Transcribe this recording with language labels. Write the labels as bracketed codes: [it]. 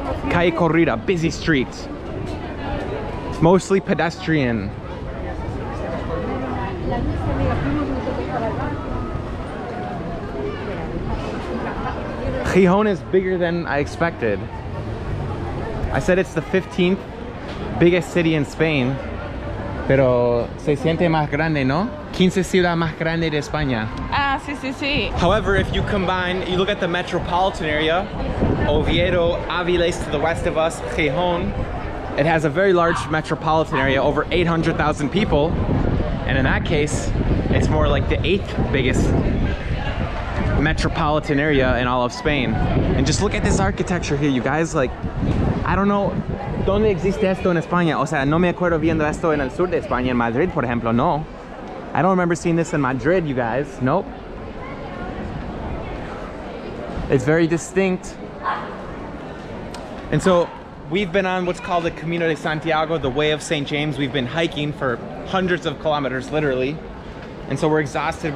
[en] Calle Corrida, busy street. Mostly pedestrian. Gijón is bigger than I expected. I said it's the 15th biggest city in Spain, [es] Pero se siente más grande, ¿no? 15 ciudad más grande de España. Ah, sí, sí, sí. [en] However, if you combine, you look at the metropolitan area, Oviedo, Aviles to the west of us, Gijón, it has a very large metropolitan area, over 800,000 people. And in that case, it's more like the eighth biggest metropolitan area in all of Spain. And just look at this architecture here, you guys. Like, I don't know, [es] ¿dónde existe esto en España? O sea, no me acuerdo viendo esto en el sur de España, en Madrid, por ejemplo, no. [en] I don't remember seeing this in Madrid, you guys. Nope. It's very distinct. And so we've been on what's called the Camino de Santiago, the Way of St. James. We've been hiking for hundreds of kilometers, literally. And so we're exhausted.